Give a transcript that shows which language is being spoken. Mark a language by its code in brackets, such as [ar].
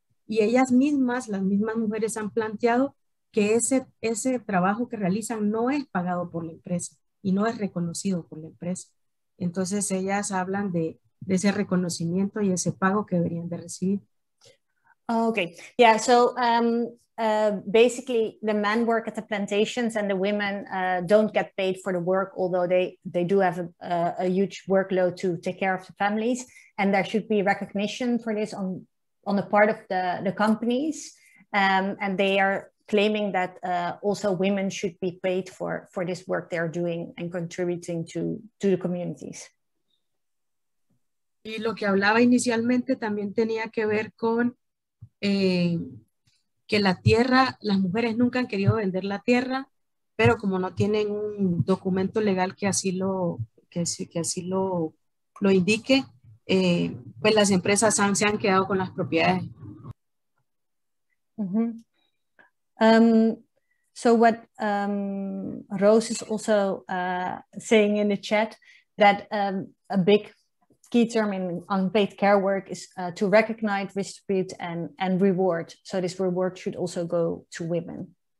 [es] Y ellas mismas, las mismas mujeres han planteado que ese trabajo que realizan no es pagado por la empresa y no es reconocido por la empresa. Entonces ellas hablan de ese reconocimiento y ese pago que deberían de recibir. [en] Okay, yeah, so basically the men work at the plantations and the women don't get paid for the work, although they do have a huge workload to take care of the families. And there should be recognition for this on the part of the companies. And they are claiming that also women should be paid for this work they are doing and contributing to the communities. [es] Y lo que hablaba inicialmente también tenía que ver con que la tierra, las mujeres nunca han querido vender la tierra, pero como no tienen un documento legal que así lo indique, pues las empresas se han quedado con las propiedades. Mm-hmm. [en] So what Rose is also saying in the chat, that a big key term in unpaid care work is to recognize, distribute, and reward. So this reward should also go to women.